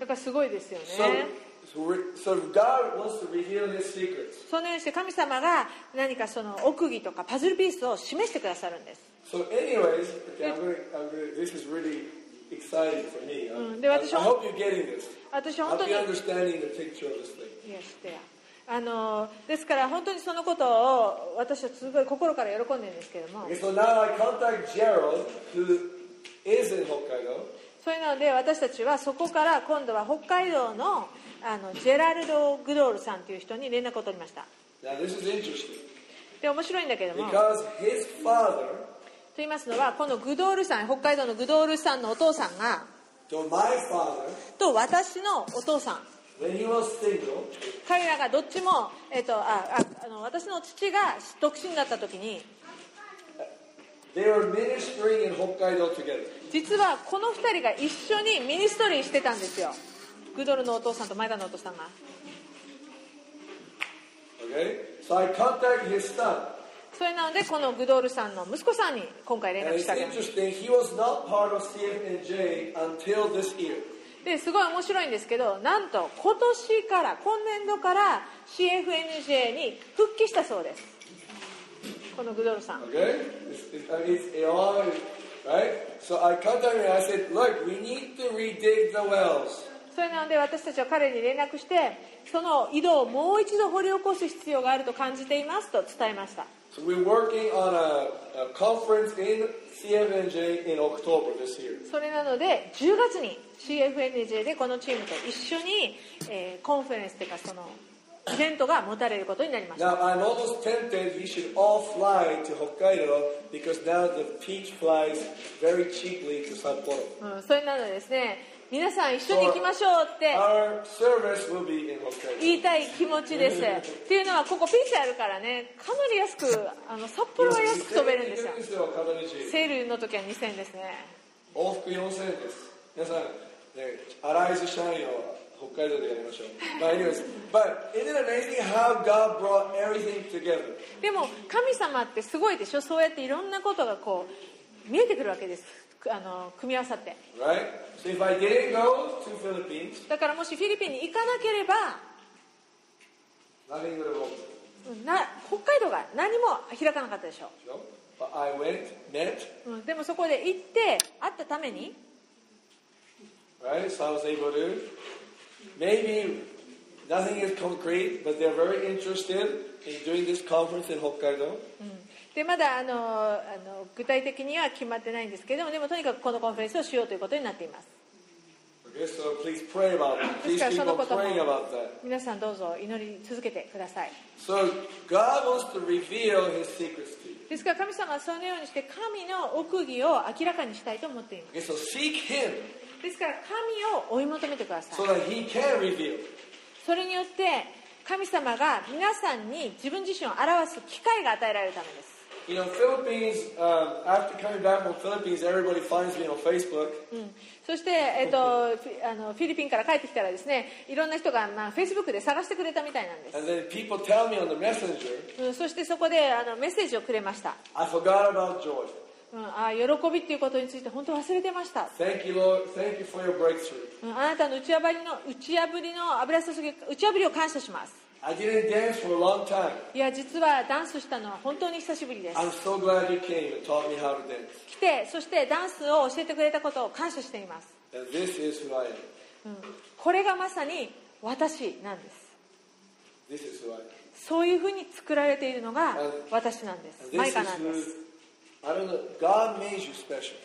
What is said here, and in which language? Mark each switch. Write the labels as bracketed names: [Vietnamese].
[Japanese] だからすごいですよね。 [English] So God wants to reveal His secrets. [Japanese] そのようにして神様が何かその奥義とかパズルピースを示してくださるんです。 [English] So anyways, okay, this is really exciting for me. [Japanese] で私は、 [English] I hope you're getting this. [Japanese] 私は本当に、 [English] I'll be understanding the picture of this thing. Yes, there. [Japanese] あのですから本当にそのことを私はすごい心から喜んでるんですけども、 [English] okay, so、now I contact Gerald, who is in Hokkaido. [Japanese] それなので私たちはそこから今度は北海道 の, あのジェラルド・グドールさんという人に連絡を取りました。 [English] now, this is interesting. [Japanese] で面白いんだけども、 [English] Because his father, [Japanese] と言いますのはこのグドールさん、北海道のグドールさんのお父さんが [English] to my father, [Japanese] と私のお父さん、 [English] When he was single, [Japanese] 彼らがどっちも、あの私の父が独身だった時に、 [English] They were ministering in Hokkaido together. [Japanese] 実はこの二人が一緒にミニストリーしてたんですよ。グドルのお父さんと前田のお父さんが。 [English] Okay. So I contacted his son. [Japanese] それなのでこのグドルさんの息子さんに今回連絡した [English] んです。And it's interesting. He was not part of CFNJ until this year. [Japanese] ですごい面白いんですけど、なんと今年から今年度から CFNJ に復帰したそうです。このグドルさん。 [English] Okay, it's all right. So I contacted him. I said, "Look, we need to redig the wells." [Japanese] それなので私たちは彼に連絡して、その井戸をもう一度掘り起こす必要があると感じていますと伝えました。 [English] So we're working on a conference in CFNJ in October this year. [Japanese] それなので10月に。 CFNJ でこのチームと一緒に、コンフェレンスというかそのイベントが持たれることになりました。 [English] Now I'm almost tempted we should all fly to Hokkaido because now the peach flies very cheaply to Sapporo、 [Japanese] それなのでですね、皆さん一緒に行きましょうって [English] Our service will be in Hokkaido. [Japanese] 言いたい気持ちですっていうのはここピーチあるからね、かなり安く、あの札幌は安く飛べるんですよ。セールの時は2000円ですね。往復4000円です。皆さん、ね、アライズシャインを北海道でやりましょう。 [English] まあ、anyways, but isn't it amazing how God brought everything together? [Japanese] でも神様ってすごいでしょ。そうやっていろんなことがこう見えてくるわけです。あの組み合わさって。 [English] Right? So if I didn't go to Philippines, [Japanese] だからもしフィリピンに行かなければ、 [English] nothing would have opened. [Japanese] 北海道が何も開かなかったでしょ。 [English] But I went, met. [Japanese] でもそこで行って会ったために。 [English] Right? So I was able to. Maybe nothing is concrete, but they're very interested in doing this conference in Hokkaido.、うん [Japanese] でまだあの具体的には決まってないんですけれども、でもとにかくこのコンフェレンスをしようということになっています。 [English] Okay, so、please pray about that. [Japanese] ですからそのことも皆さんどうぞ祈り続けてください。 [English] So、God wants to reveal his secrets to you. [Japanese] ですから神様はそのようにして神の奥義を明らかにしたいと思っています。 [English] Okay, so、seek him. [Japanese] ですから神を追い求めてください。 [English] So、that he can reveal. [Japanese] それによって神様が皆さんに自分自身を表す機会が与えられるためです。 [English] You know, Philippines, after coming back from Philippines, everybody finds me on Facebook. [Japanese] そして、フィリピンから帰ってきたらですね、いろんな人が、まあ、Facebook で探してくれたみたいなんです。 [English] And then people tell me on the messenger, [Japanese] そしてそこでメッセージをくれました。 [English] I forgot about joy. [Japanese] 喜びっていうことについて本当忘れてました。 [English] Thank you, Lord. Thank you for your breakthrough. [Japanese] あなたの打ち破りの油注ぎ、打ち破りを感謝します。 [English] I didn't dance for a long time. [Japanese] いや実はダンスしたのは本当に久しぶりです。 [English] I'm so glad you came and taught me how to dance. [Japanese] 来てそしてダンスを教えてくれたことを感謝しています。 [English] And this is who I am. [Japanese] これがまさに私なんです。 [English] This is who I am. [Japanese] そういうふうに作られているのが私なんです。マイカなんです。 [English] I don't know. God made you special.